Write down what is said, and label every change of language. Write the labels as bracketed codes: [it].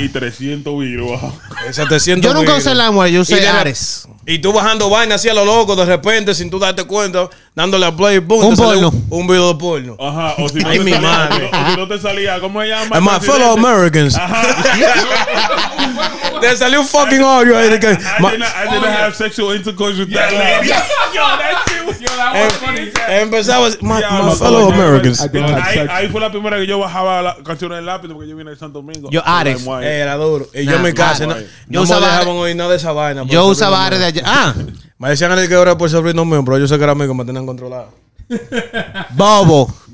[es] Y 300 virus. Ese 300 yo nunca usé LimeWire, yo usé Ares. Y tú bajando vaina así a lo loco, de repente, sin tú darte cuenta, dándole a play, boom. Un porno. Un video de porno. Ajá. O si no, ay, mi madre. O si no te salía, ¿cómo se llama? [en] My fellow Americans. [es] Te salió un fucking audio. [en] I didn't have sexual intercourse with that lady. Yo, that shit was... Yo, that was funny. [es] Empezaba [en] my fellow Americans. [es] Ahí fue la primera que yo bajaba la canción en el lápiz porque yo vine de Santo Domingo. Yo, Ares. Era duro. Y yo en mi casa. No me dejaban oír nada de esa vaina. Yo usaba Ares de allá. Ah. Me decían a él que ahora por ser brindos míos, pero yo sé que era amigo, me tenían controlado. Bobo.